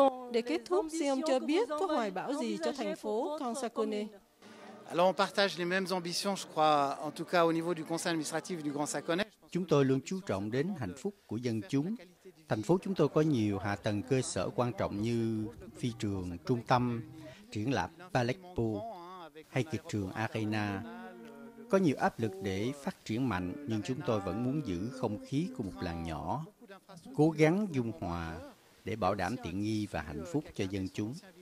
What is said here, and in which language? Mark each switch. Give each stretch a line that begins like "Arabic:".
Vietnamese: Để kết thúc, xin ông cho biết có hoài bão gì cho thành phố Kansakone?
French: Alors on partage les mêmes ambitions, je crois, en tout cas au niveau du conseil administratif du Grand Sacconnet.
Vietnamese: Chúng tôi luôn chú trọng đến hạnh phúc của dân chúng. Thành phố chúng tôi có nhiều hạ tầng cơ sở quan trọng như phi trường, trung tâm, triển lãm Palexpo hay kịch trường Arena. Có nhiều áp lực để phát triển mạnh, nhưng chúng tôi vẫn muốn giữ không khí của một làng nhỏ, cố gắng dung hòa để bảo đảm tiện nghi và hạnh phúc cho dân chúng.